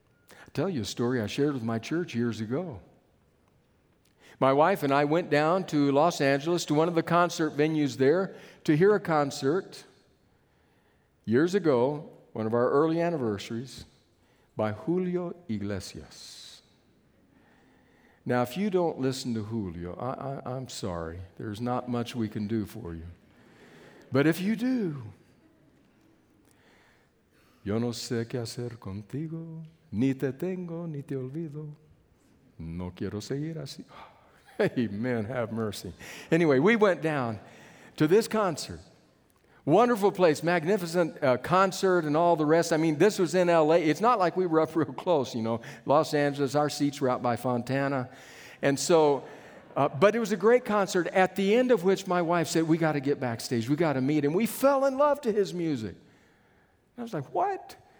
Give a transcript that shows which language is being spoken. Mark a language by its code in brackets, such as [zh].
[en] I'll tell you a story I shared with my church years ago. My wife and I went down to Los Angeles to one of the concert venues there to hear a concert years ago, one of our early anniversaries, by Julio Iglesias. Now, if you don't listen to Julio, I'm sorry. There's not much we can do for you. But if you do, [es] yo no sé qué hacer contigo, ni te tengo, ni te olvido, no quiero seguir así. [en] Amen, have mercy. Anyway, we went down to this concert. Wonderful place, magnificent concert and all the rest. I mean, this was in L.A. It's not like we were up real close, you know. Los Angeles, our seats were out by Fontana. And so, but it was a great concert, at the end of which my wife said, we got to get backstage, we got to meet. And we fell in love to his music. And I was like, what?